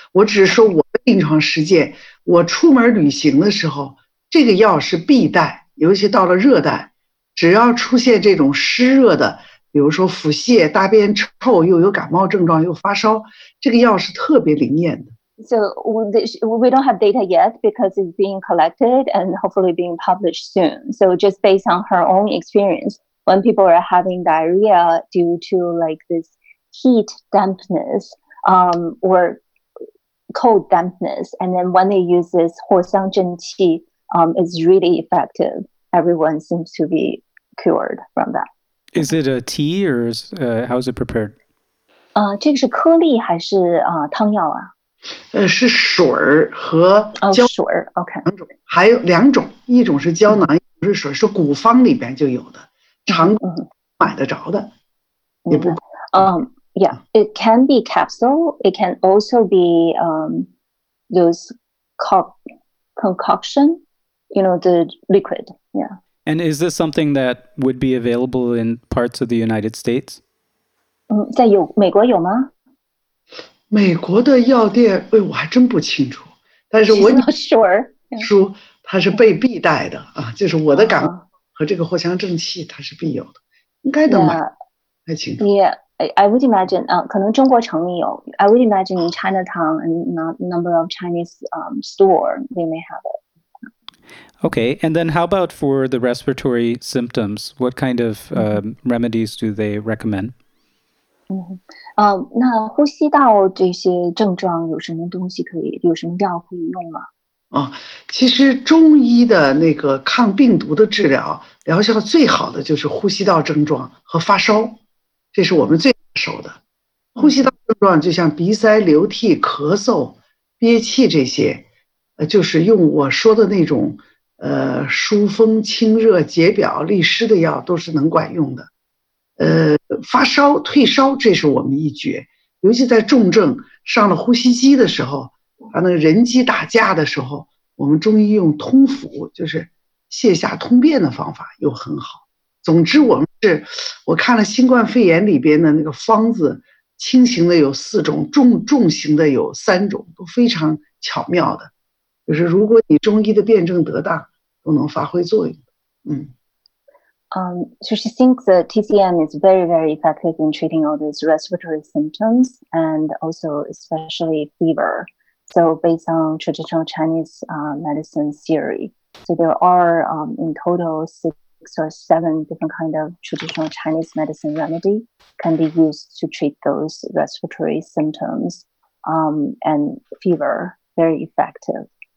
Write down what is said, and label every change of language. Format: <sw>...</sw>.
<zh>我只是说我的临床实践，我出门旅行的时候，这个药是必带，尤其到了热带，只要出现这种湿热的，比如说腹泻、大便臭，又有感冒症状，又发烧，这个药是特别灵验的。</zh> <en>So we don't have data yet because it's being collected and hopefully being published soon. So just based on her own experience, when people are having diarrhea due to like this heat dampness or cold dampness, and then when they use this 藿香正气, it's really effective. Everyone seems to be cured from that. Is it a tea or how is it prepared?</en> <zh>这个是颗粒还是汤药啊？是水和胶水 ，OK，两种，还有两种，一种是胶囊，一种是水，是古方里边就有的，常买得着的，也不，</zh> <en>it can be capsule, it can also be those concoction, you know, the liquid, yeah. And is this something that would be available in parts of the United States?</en> <zh>在有美国有吗？美国的药店，我还真不清楚，但是我女儿叔他是被必带的啊，就是我的感冒和这个藿香正气他是必有的，应该能买，太清楚。</zh> <en>Yeah, I would imagine,</en> <zh>可能中国城里有。</zh> <en>I would imagine in Chinatown and number of Chinese store, they may have it. Okay, and then how about for the respiratory symptoms? What kind of remedies do they recommend?</en> <zh>那呼吸道这些症状有什么东西可以，有什么药可以用吗？其实中医的那个抗病毒的治疗，疗效最好的就是呼吸道症状和发烧，这是我们最拿手的。呼吸道症状就像鼻塞、流涕、咳嗽、憋气这些，就是用我说的那种疏风清热、解表利湿的药都是能管用的。发烧退烧这是我们一绝，尤其在重症上了呼吸机的时候，啊，那个人机打架的时候，我们中医用通腑，就是泻下通便的方法又很好。总之我看了新冠肺炎里边的那个方子，轻型的有四种，重型的有三种，都非常巧妙的，就是如果你中医的辩证得当，都能发挥作用。</zh> <en>So she thinks that TCM is very, very effective in treating all these respiratory symptoms and also especially fever. So based on traditional Chinese medicine theory, so there are in total six 6 or 7 different kind of traditional Chinese medicine remedy can be used to treat those respiratory symptoms and fever, very effective.</en>